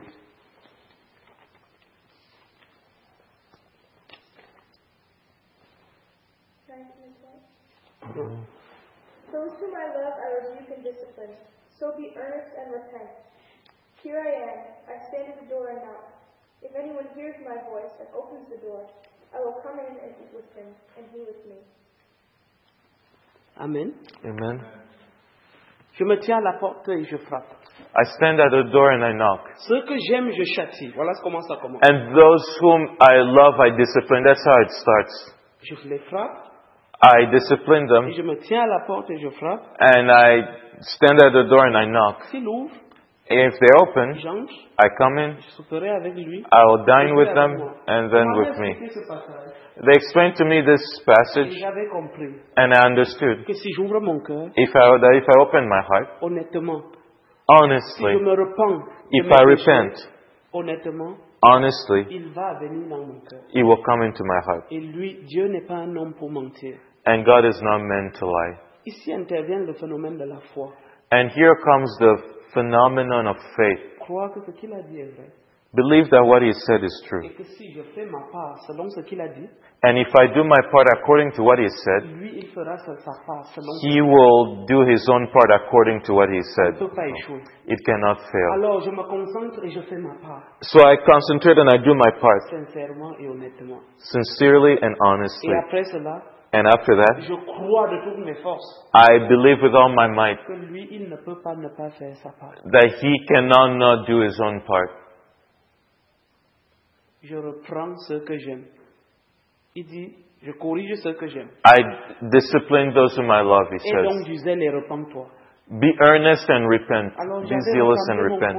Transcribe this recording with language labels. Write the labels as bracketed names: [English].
[English] Those whom I love, I rebuke and discipline. So be earnest and repent. Here I am. I stand at the door and knock. If anyone hears my voice and opens the door, I will come in and eat with him, and he with me. Amen. Amen. [French] Je me tiens à la porte et je frappe. [English] I stand at the door and I knock. [French] Ce que j'aime, je châtie. Voilà comment ça commence. [English] And those whom I love, I discipline. That's how it starts. [French] Je les frappe. [English] I discipline them. [French] Et je me tiens à la porte et je frappe. [English] And I stand at the door and I knock. [French] S'ils ouvrent, [English] if they open, [French] j'entre, [English] I come in. [French] Je souperai avec lui. [English] I will dine with them and then with me. They explained to me this passage, and I understood [French] que si j'ouvre mon cœur, [English] if I open my heart, [French] honnêtement, [English] honestly, [French] si je me repens, [English] if I repent, [French] honnêtement, [English] honestly, [French] il va venir dans mon cœur. [English] He will come into my heart. [French] Et lui, Dieu n'est pas un homme pour mentir. [English] And God is not meant to lie. [French] Ici intervient le phénomène de la foi. [English] And here comes the phenomenon of faith. [French] Crois que ce qu'il a dit est vrai. [English] Believe that what he said is true. [French] Et que si je fais ma part selon ce qu'il a dit, [English] and if I do my part according to what he said, [French] lui, il fera sa part selon [English] he will do his own part according to what he said. It cannot fail. [French] Alors, je me concentre et je fais ma part. [English] So I concentrate and I do my part. [French] Sincèrement et honnêtement. [English] Sincerely and honestly. [French] Et après cela, [English] and after that, [French] je crois de toutes mes forces, [English] I believe with all my might [French] que lui, il ne peut pas ne pas faire sa part. [English] That he cannot not do his own part. [French] Je reprends ce que j'aime. Il dit, je corrige ce que j'aime. [English] I discipline those whom I love, he says. [French] Et donc, du zèle et repens-toi. [English] Be earnest and repent. [French] Alors, [English] be zealous and repent.